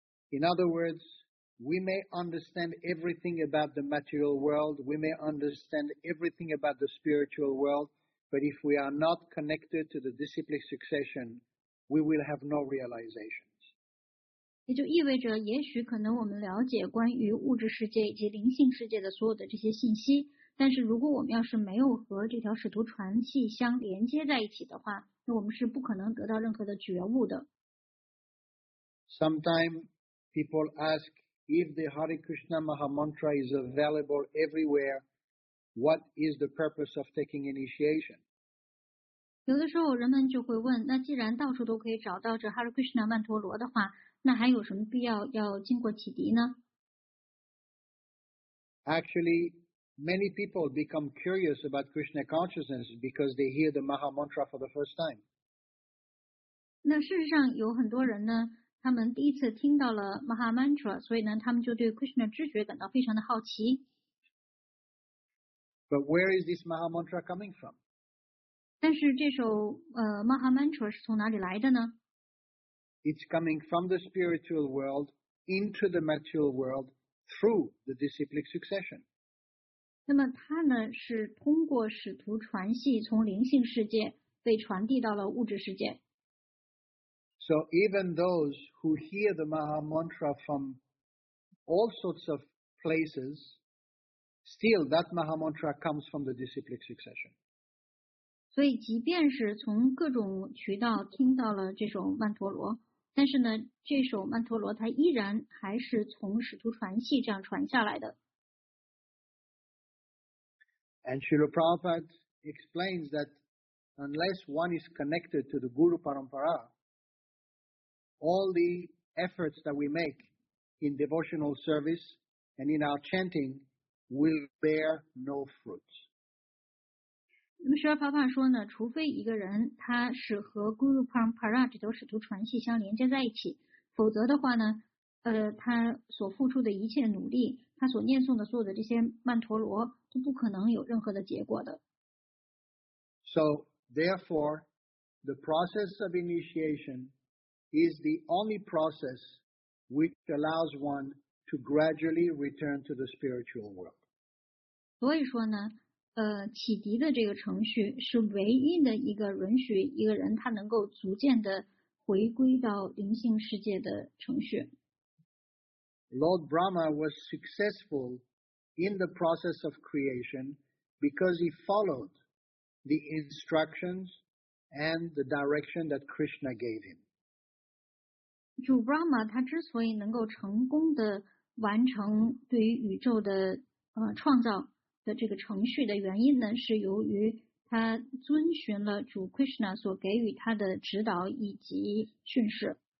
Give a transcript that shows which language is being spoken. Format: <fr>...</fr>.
<en>In other words, we may understand everything about the material world, we may understand everything about the spiritual world, but if we are not connected to the disciplic succession, we will have no realizations.</en> <zh>也就意味着也许可能我们了解关于物质世界以及灵性世界的所有的这些信息，但是如果我们要是没有和这条使徒传系相连接在一起的话，那我们是不可能得到任何的觉悟的。</zh> <en>Sometimes people ask if the Hare Krishna Maha Mantra is available everywhere, what is the purpose of taking initiation?</en> <zh>有的时候人们就会问，那既然到处都可以找到这 Hare Krishna 曼陀罗的话，那还有什么必要要经过启迪呢？</zh> <en>Actually,Many people become curious about Krishna consciousness because they hear the Maha Mantra for the first time.</en> <zh>那事实上有很多人呢，他们第一次听到了 Maha Mantra， 所以呢，他们就对 Krishna 知觉感到非常的好奇。</zh> <en>But where is this Maha Mantra coming from?</en> <zh>但是这首Maha Mantra 是从哪里来的呢？</zh> <en>It's coming from the spiritual world into the material world through the disciplic succession.</en> <zh>那么它呢是通过使徒传系从灵性世界被传递到了物质世界。</zh> <en>So even those who hear the Maha Mantra from all sorts of places, still that Maha Mantra comes from the disciplic succession.</en> <zh>所以即便是从各种渠道听到了这首曼陀罗，但是呢这首曼陀罗它依然还是从使徒传系这样传下来的。</zh> <en>And Srila Prabhupada explains that unless one is connected to the Guru Parampara, all the efforts that we make in devotional service and in our chanting will bear no fruit.</en> <zh>那么 Srila Prabhupada 说呢，除非一个人他是和 Guru Parampara 这条使徒传系相连接在一起，否则的话呢，他所付出的一切努力，他所念诵的所有的这些曼陀罗都不可能有任何的结果的。</zh> <en>So, therefore, the process of initiation is the only process which allows one to gradually return to the spiritual world.</en> <zh>所以说呢，启迪的这个程序是唯一的一个允许一个人他能够逐渐的回归到灵性世界的程序。</zh> <en>Lord Brahma was successful in the process of creation because he followed the instructions and the direction that Krishna gave him.</en> <zh>主 Brahma 他之所以能够成功的完成对于宇宙的创造的这个程序的原因呢，是由于他遵循了主 Krishna 所给予他的指导以及训示。</zh>